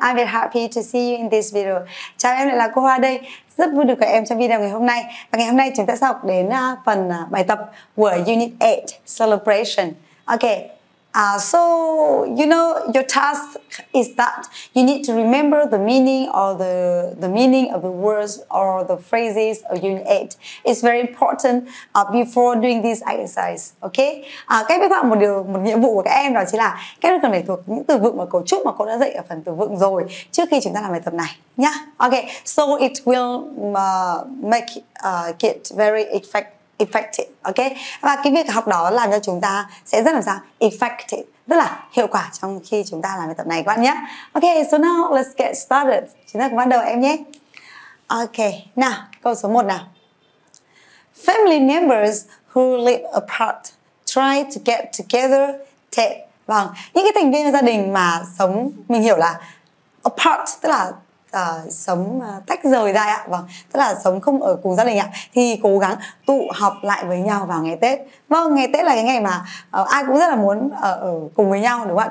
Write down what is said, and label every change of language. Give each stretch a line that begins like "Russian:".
English: I'm very happy to see you in this video.
Vietnamese: Chào em, lại là cô Hoa đây. Rất vui được gặp em trong video ngày hôm nay. Và ngày hôm nay chúng ta sẽ học đến phần bài tập của Unit 8, Celebration.
English: Okay, so you know your task is that you need to remember the meaning or the meaning of the words or the phrases of Unit 8. It's very important before doing this exercise.
Vietnamese: Okay, các bạn một điều một nhiệm vụ của các em đó chính là các em cần phải thuộc những từ vựng và cấu trúc mà cô đã dạy ở phần từ vựng rồi trước khi chúng ta làm bài tập này. Nhá.
English: Okay, so it will make it very effective, okay?
Vietnamese: Và cái việc học đó làm cho chúng ta sẽ rất là sao? Effective, rất là hiệu quả trong khi chúng ta làm bài tập này các bạn nhé.
English: Okay, so now let's get started.
Vietnamese: Chúng ta cùng bắt đầu em nhé. Okay, nào, câu số 1 nào.
English: Family members who live apart try to get together to...
Vietnamese: Vâng, những cái thành viên gia đình mà sống, mình hiểu là apart, tức là sống tách rời ra ạ. Vâng, tức là sống không ở cùng gia đình ạ, thì cố gắng tụ họp lại với nhau vào ngày Tết. Vâng, ngày Tết là cái ngày mà ai cũng rất là muốn ở cùng với nhau, đúng không ạ?